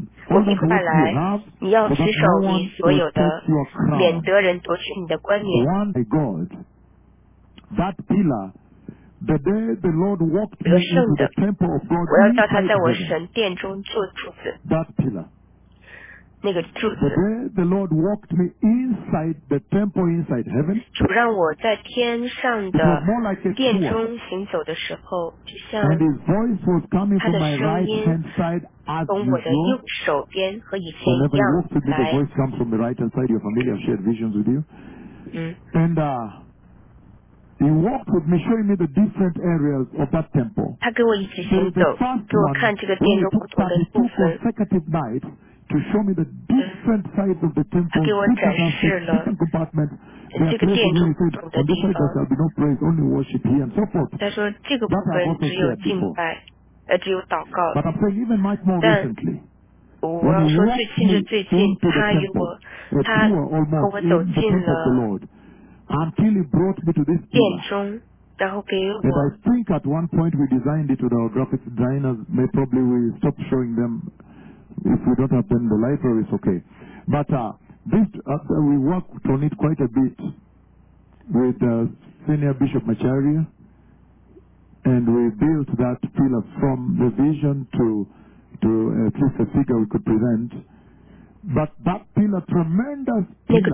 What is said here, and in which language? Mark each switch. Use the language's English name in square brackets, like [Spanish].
[Chinese] 我必快来，你要持守你所有的，免得人夺取你的冠冕。 [English] The day the Lord walked into the temple of God, [Chinese] 我要叫他在我神殿中做柱子。 [English] That pillar. [Chinese] 那个柱子。 [English] The day the Lord walked me inside the temple inside heaven. [Chinese] 主让我在天上的殿中行走的时候，就像。 [English] And His voice was coming from my right hand side as you go. [Chinese] 从我的右手边和以前一样来。 [English] Whenever you walk with me, the voice comes from the right hand side. Your familiar shared visions with you. And He walked with me, showing me the different areas of that temple. [Chinese] 他跟我一起行走，给我看这个殿中不同的部分。 [English] Two consecutive nights to show me the different sides of the temple. [Chinese] 他给我展示了 [English] different compartments. [Chinese] 这个殿中不同的地方。 [English] On this side, no praise, only worship here, and so forth. [Chinese] 他说这个部分只有敬拜，只有祷告。 [English] But I'm saying even much more recently. [Chinese] 我要说最近是最近他和我走进了殿中，然后给我。 [English] If I think at one point we designed it with our graphics designers, may probably we stop showing them if we don't have them. The library is okay, but we worked on it quite a bit with Senior Bishop Macharia, and we built that pillar from the vision to at least a figure we could present, but that pillar, tremendous pillar,